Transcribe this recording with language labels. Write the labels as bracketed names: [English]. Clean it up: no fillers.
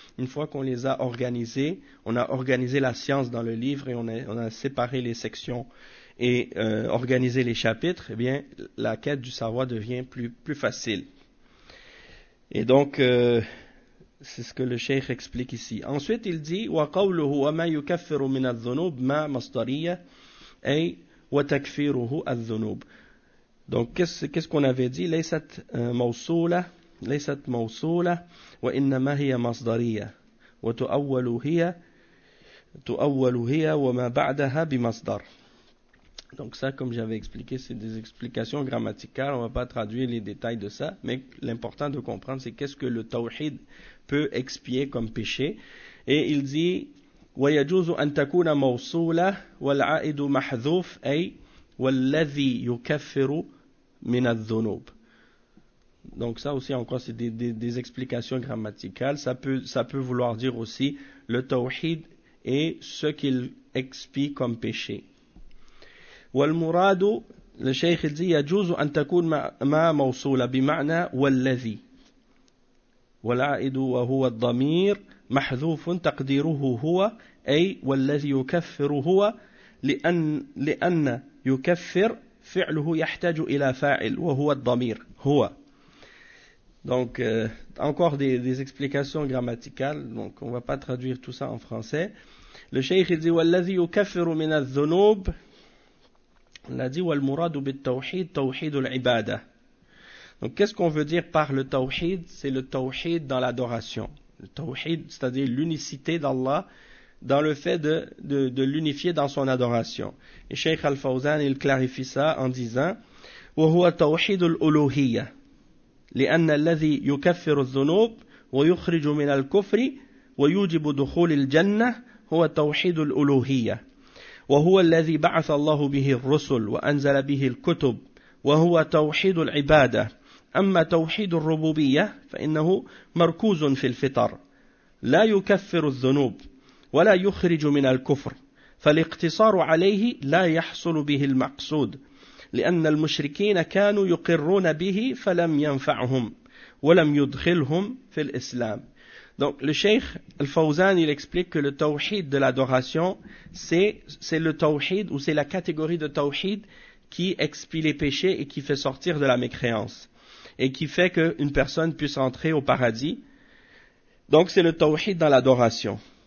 [French] Une fois qu'on les a organisés, on a organisé la science dans le livre et on a séparé les sections et organisé les chapitres, eh bien, la quête du savoir devient plus facile. Et donc, c'est ce que le cheikh explique ici. Ensuite, il dit [Arabic] وَقَوْلُهُ وَمَا يُكَفِّرُ مِنَ الذُّنُوبِ مَا مَصْدَرِيَّ أي وَتَكْفِيرُهُ الذُّنُوبِ. [French] Donc, qu'est-ce qu'on avait dit? [Arabic] لَيْسَتْ مَوْصُولَ لَيْسَتْ مَوْصُولَ وَإِنَّمَا هِيَ مَصْدَرِيَّ وَتُؤَوَّلُهِيَ وَمَا بَعْدَهَا بِمَصْدَرِ. [French] Donc ça, comme j'avais expliqué, c'est des explications grammaticales, on ne va pas traduire les détails de ça, mais l'important de comprendre, c'est qu'est-ce que le tawhid peut expier comme péché. Et il dit, [Arabic] وَيَجُوزُ أَن تَكُونَ مَوْصُولَ وَالْعَائِدُ مَحْذُوفُ أَيْ وَالَّذِي يُكَفِّرُ مِنَ الذُّنُوبِ. [French] Donc ça aussi, encore, c'est des explications grammaticales. Ça peut vouloir dire aussi le tawhid et ce qu'il expie comme péché. [Arabic] والمراد للشيخ الزي يجوز أن تكون ما موصولة بمعنى والذي والعائد وهو الضمير محذوف تقديره هو أي والذي يكفر هو لأن يكفر فعله يحتاج إلى فاعل وهو الضمير هو. [French] Donc encore des explications grammaticales, donc on va pas traduire tout ça en français. Le cheikh dit [Arabic] والذي يكفر من الذنوب الذي والمراد بالتوحيد توحيد العبادة. [French] Donc qu'est-ce qu'on veut dire par le tawhid? C'est le tawhid dans l'adoration. Le tawhid, c'est-à-dire l'unicité d'Allah dans le fait de l'unifier dans son adoration. Et Cheikh Al-Fawzan, il clarifie ça en disant [Arabic] وهو توحيد الألوهية لأن الذي يكفر الذنوب ويخرج من الكفر ويوجب دخول الجنة هو توحيد الألوهية وهو الذي بعث الله به الرسل وأنزل به الكتب وهو توحيد العبادة أما توحيد الربوبية فإنه مركوز في الفطر لا يكفر الذنوب ولا يخرج من الكفر فالاقتصار عليه لا يحصل به المقصود لأن المشركين كانوا يقرون به فلم ينفعهم ولم يدخلهم في الإسلام. [French] Donc le cheikh Al-Fawzan, il explique que le tawhid de l'adoration, c'est le tawhid ou c'est la catégorie de tawhid qui expie les péchés et qui fait sortir de la mécréance et qui fait qu'une personne puisse entrer au paradis. Donc c'est le tawhid dans l'adoration.